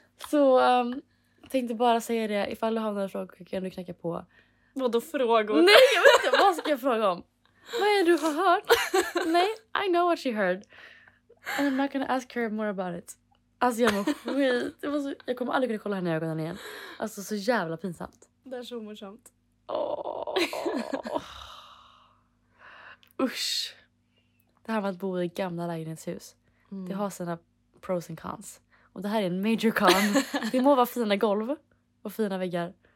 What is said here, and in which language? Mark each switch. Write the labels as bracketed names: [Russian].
[Swedish] Så tänkte bara säga det. Ifall du har några frågor kan du knacka på. Vad då frågor? Nej, jag vet inte. Vad ska jag fråga om? Vad är du har hört? [English] Nej, I know what she heard. And I'm not gonna ask her more about it. [Swedish] Alltså jag mår skit. Det var så, jag kommer aldrig kunna kolla henne i ögonen igen. Alltså så jävla pinsamt. Det är så morsamt. Oh. Usch. Det här med att bo i gamla lägenhetshus. Mm. Det har sina [English] pros and cons. [Swedish] Och det här är en [English] major con. [Swedish] Det må vara fina golv och fina väggar.